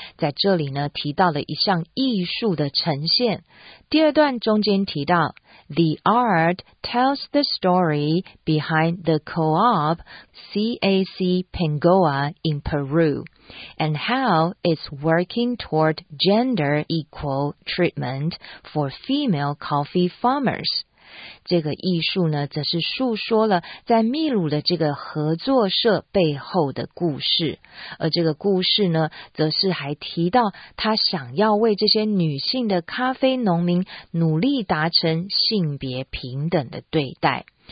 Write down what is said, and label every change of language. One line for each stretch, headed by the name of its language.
Chinese: 在这里呢，提到了一项艺术的呈现。第二段中间提到
English: The art tells the story behind the co-op CAC Pangoa in Peru and how it's working toward gender equal treatment for female coffee farmers。
Chinese: 这个艺术呢，则是述说了在秘鲁的这个合作社背后的故事，而这个故事呢，则是还提到他想要为这些女性的咖啡农民努力达成性别平等的对待。